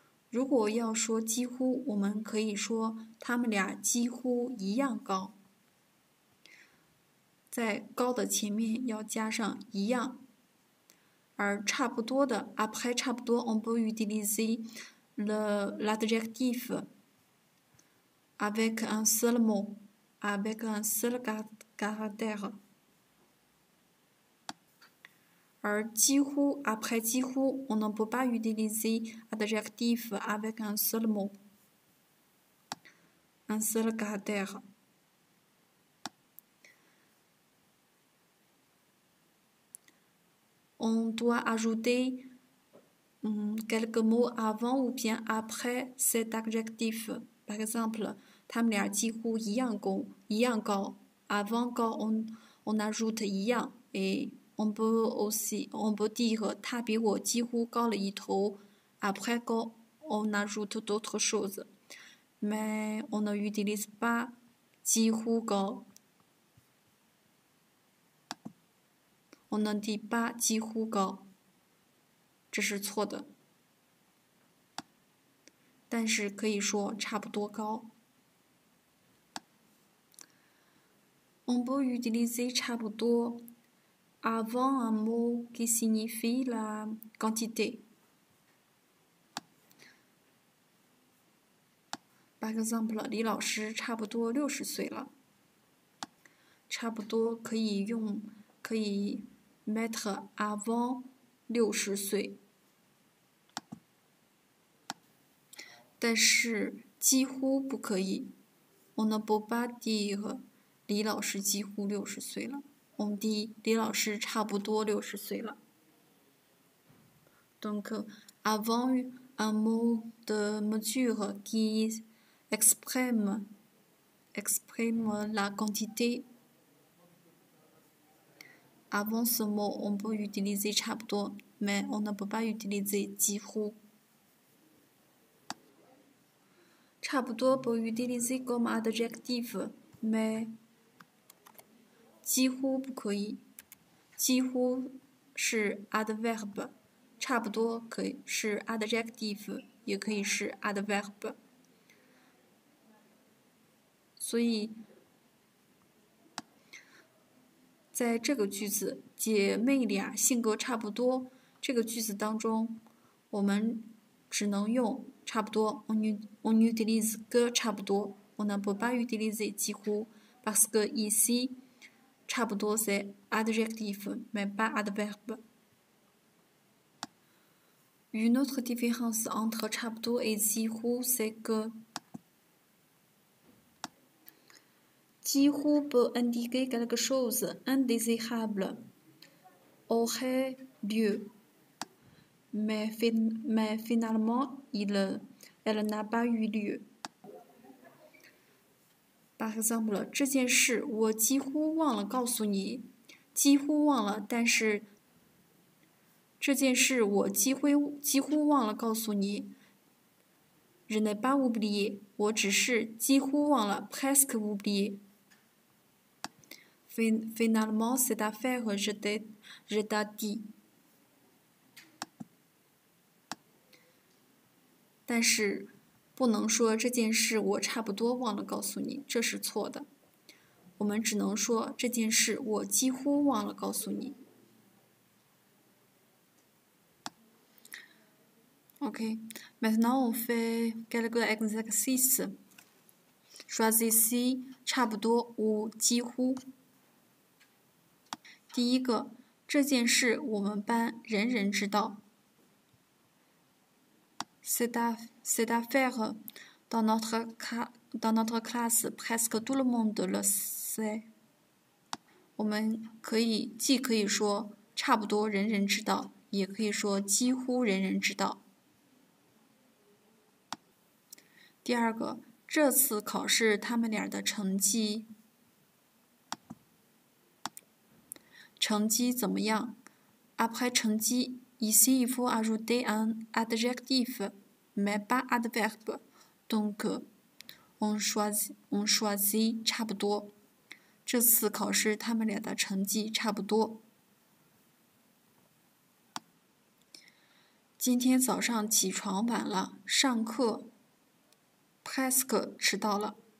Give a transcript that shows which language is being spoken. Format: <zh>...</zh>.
<zh>如果要说几乎，我们可以说他们俩几乎一样高，在高的前面要加上一样，而差不多的</zh> <fr>après 差不多 on peut utiliser l'adjectif avec un seul mot, avec un seul caractère. 而几乎 après 几乎 on ne peut pas utiliser adjectif avec un seul mot, un seul caractère. On doit ajouter quelques mots avant ou bien après cet adjectif. Par exemple,</fr> <zh>他们俩几乎一样高，一样高。</zh> <fr>Avant 高 ，on ajoute 一样。 Et on peut aussi, on peut dire</fr> <zh>他比我几乎高了一头。</zh> <fr>Après 高 ，on ajoute d'autres choses. Mais on ne utilise pas</fr> <zh>几乎高。</zh> <fr>On ne dit pas</fr> <zh>几乎高。这是错的。但是可以说差不多高。</zh> <fr>On peut utiliser差不多 avant un mot qui signifie la quantité. Par exemple,</fr> <zh>李老师差不多60岁了。差不多可以用，可以</zh> <fr>mettre</fr> <zh>avant 60岁。但是几乎不可以。</zh> <fr>On ne peut pas dire</fr> <zh>李老师几乎60岁了。我们第一，李老师差不多60岁了。</zh> <fr>Donc, avant un mot de mesure qui exprime la quantité, avant ce mot, on peut utiliser 差不多, mais on ne peut pas utiliser 几乎。差不多 peut utiliser comme adjectif, mais...</fr> <zh>几乎不可以，几乎是 adverb， 差不多可以是 adjective， 也可以是 adverb。所以，在这个句子“姐妹俩性格差不多”这个句子当中，我们只能用差不多 ，</zh> <fr>on utilise que 差不多 ，on ne peut pas utiliser 几乎 ，parce que ici。差不多 c'est adjective, mais pas adverbe. Une autre différence entre 差不多 et 几乎 c'est que 几乎不 indiquer quelque chose indésirable. Aurait lieu. Mais finalement, elle n'a pas eu lieu. Par exemple,</fr> <zh>这件事我几乎忘了告诉你。几乎忘了，但是这件事我几乎忘了告诉你。</zh> <fr>Je n'ai pas oublié.</fr> <zh>我只是几乎忘了</zh> <fr>presque oublié. Finalement, cette affaire, je t'ai dit.</fr> <zh>但是不能说这件事我差不多忘了告诉你，这是错的。我们只能说这件事我几乎忘了告诉你。</zh> <fr>OK, maintenant on fait quelques exercices. Choisissez 差不多ou几乎。</fr> <zh>第一个，这件事我们班人人知道。</zh> <fr>Cette affaire, dans notre classe, presque tout le monde le sait.</fr> <zh>我们可以既可以说差不多人人知道，也可以说几乎人人知道。第二个，这次考试他们俩的成绩怎么样</zh> <fr>？Après 成绩 ，ici il faut ajouter un adjectif. Mais pas adverbe, donc on choisit</fr> <zh>差不多。这次考试他们俩的成绩差不多。今天早上起床晚了，上课</zh> <fr>presque</fr> <zh>迟到了。</zh>